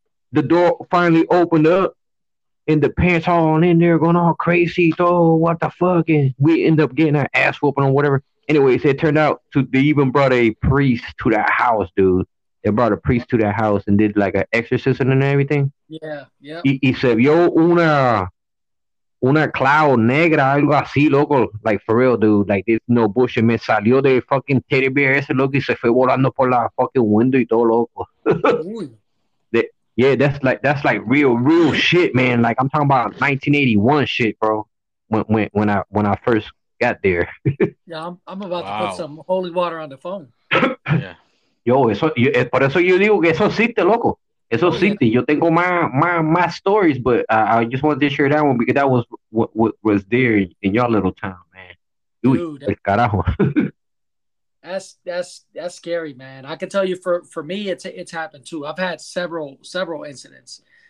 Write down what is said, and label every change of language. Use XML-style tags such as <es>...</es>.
<en>The door finally opened up. And the parents all in there going all crazy. Oh, what the fuck? And we end up getting our ass whooping or whatever. Anyways, it turned out they even brought a priest to that house, dude. They brought a priest to that house and did like an exorcism and everything. Yeah, yeah.</en> <es>Y se vio una cloud negra, algo así, loco.</es> <en>Like, for real, dude. Like, there's no bullshit.</en> <es>Me salió de fucking teddy bear ese, loco, y se fue volando por la fucking window y todo, loco.</es> <en>Yeah, that's like real shit, man. Like, I'm talking about 1981 shit, bro. When I first got there. Yeah, I'm about to put some holy water on the phone. Yeah.</en> <es>Yo, por eso yo digo que eso existe, loco. Eso existe.</es> <en>Yeah.</en> <es>Yo tengo</es> <en>my stories, but I just wanted to share that one because that was what was there in your little town, man. Dude,</en> <es>el carajo.</es> <en>that's scary, man. I can tell you for me, it's happened too. I've had several incidents.</en>